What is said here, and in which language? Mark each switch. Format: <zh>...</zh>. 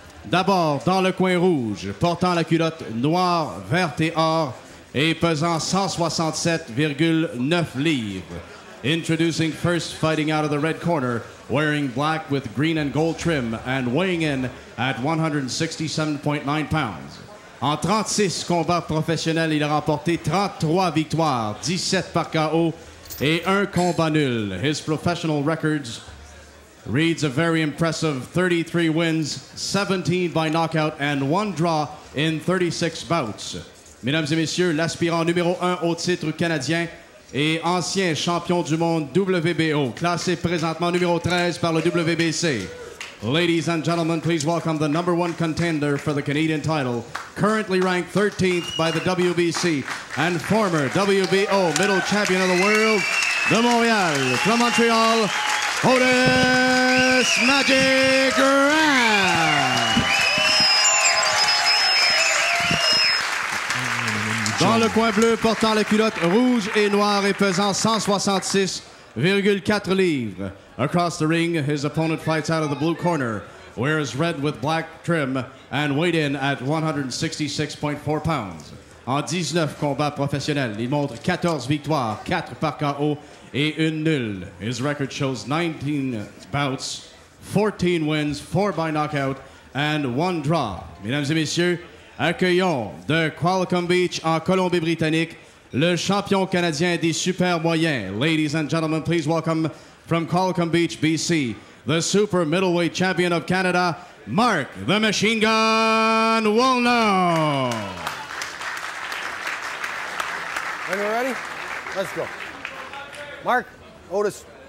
<fr>D'abord, dans le coin rouge, portant la culotte noire, verte et or, et pesant 167,9 livres.</fr> <en>Introducing first, fighting out of the red corner, wearing black with green and gold trim, and weighing in at 167.9 pounds.</en> <fr>En 36 combats professionnels, il a remporté 33 victoires, 17 par KO, et un combat nul.</fr> <en>His professional records reads a very impressive 33 wins, 17 by knockout, and one draw in 36 bouts.</en> <fr>Mesdames et messieurs, l'aspirant numéro 1 au titre canadien et ancien champion du monde WBO, classé présentement numéro 13 par le WBC.</fr> <en>Ladies and gentlemen, please welcome the number one contender for the Canadian title, currently ranked 13th by the WBC, and former WBO middle champion of the world,</en> <fr>de Montréal,</fr> <en>from Montreal, Otis Magic Grant.</en> <fr>Dans le coin bleu, portant les culottes rouge et noir et pesant 166,4 livres.</fr> <en>Across the ring, his opponent fights out of the blue corner, wears red with black trim, and weighed in at 166.4 pounds.</en> <fr>En 19 combats professionnels, il montre 14 victoires, 4 par KO et une nulle.</fr> <en>His record shows 19 bouts, 14 wins, 4 by knockout, and 1 draw.</en> <fr>Mesdames et messieurs, accueillons de Qualcomm Beach en Colombie-Britannique le champion canadien des super moyens.</fr> <en>Ladies and gentlemen, please welcome from Qualcomm Beach, BC, the super middleweight champion of Canada, Mark the Machine Gun Woolnough. Are you ready? Let's go. Mark, Otis.</en>